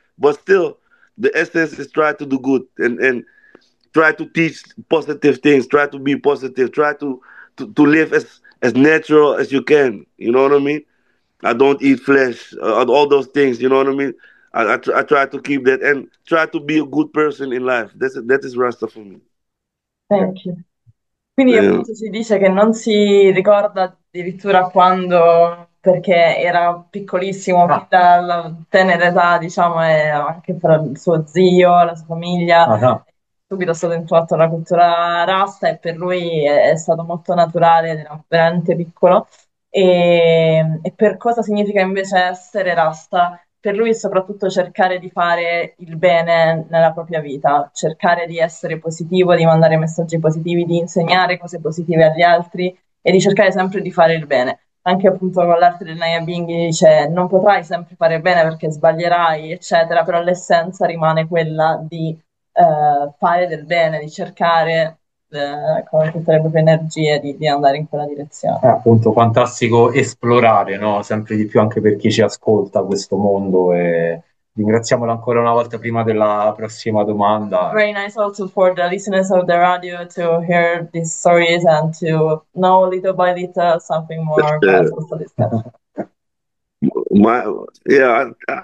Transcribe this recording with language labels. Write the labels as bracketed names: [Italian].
[English] But still, the essence is try to do good and try to teach positive things. Try to be positive. Try to live as natural as you can. You know what I mean? I don't eat flesh. All those things. You know what I mean? I try to keep that and try to be a good person in life. That is Rasta for me. Thank you. [Italian] Quindi appunto si dice che non si ricorda addirittura quando, perché era piccolissimo, fin dalla tenera età, diciamo, e anche fra il suo zio, la sua famiglia, subito è stato intuato alla cultura rasta e per lui è stato molto naturale, era veramente piccolo. E per cosa significa invece essere rasta? Per lui soprattutto cercare di fare il bene nella propria vita, cercare di essere positivo, di mandare messaggi positivi, di insegnare cose positive agli altri e di cercare sempre di fare il bene. Anche appunto con l'arte del Naya Bingi dice non potrai sempre fare bene perché sbaglierai, eccetera, però l'essenza rimane quella di fare del bene, di cercare con tutte le proprie energie di andare in quella direzione. È appunto fantastico esplorare, no? Sempre di più anche per chi ci ascolta questo mondo. E ringraziamolo ancora una volta prima della prossima domanda. [English] Very nice also for the listeners of the radio to hear these stories and to know little by little something more about the